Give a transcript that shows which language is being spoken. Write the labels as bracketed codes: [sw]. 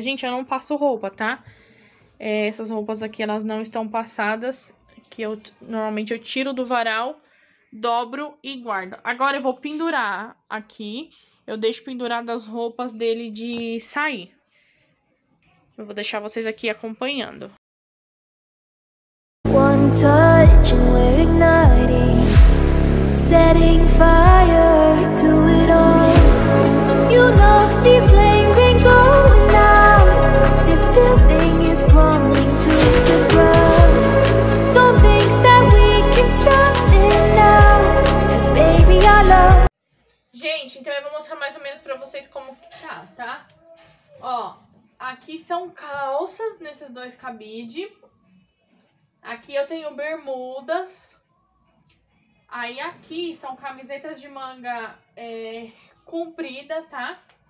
[pt] Gente, eu não passo roupa, tá? Essas roupas aqui, elas não estão passadas, que eu normalmente eu tiro do varal, dobro e guardo. Agora, eu vou pendurar aqui, eu deixo penduradas as roupas dele de sair. Eu vou deixar vocês aqui acompanhando. [en] One touch and we're igniting, setting fire to it all. You know these flames ain't going out. This building is crumbling to the ground. Don't think that we can stop it now, 'cause baby I love. [pt] Gente, então eu vou mostrar mais ou menos pra vocês como que tá, tá? Ó. Aqui são calças nesses dois cabide. Aqui eu tenho bermudas. Aí aqui são camisetas de manga comprida, tá?